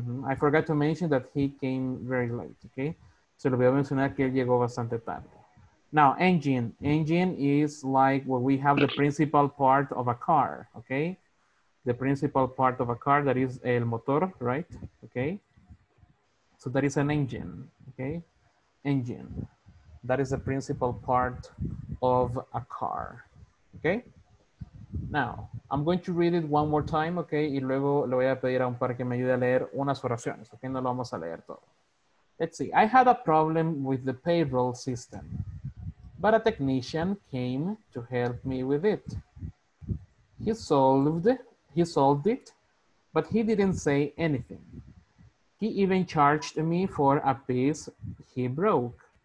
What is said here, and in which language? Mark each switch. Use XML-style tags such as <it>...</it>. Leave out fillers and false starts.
<en>I forgot to mention that he came very late, ok.</en> <es>Se lo voy a mencionar que él llegó bastante tarde.</es> <en>Now, engine. Engine is like what we have the principal part of a car, okay? The principal part of a car, that is el motor, right? Okay? So that is an engine, okay? Engine. That is the principal part of a car, okay? Now, I'm going to read it one more time, okay?</en> <es>Y luego le voy a pedir a un par que me ayude a leer unas oraciones, okay? No lo vamos a leer todo.</es> <en>Let's see. I had a problem with the payroll system, but a technician came to help me with it. He solved it, but he didn't say anything. He even charged me for a piece he broke.</en>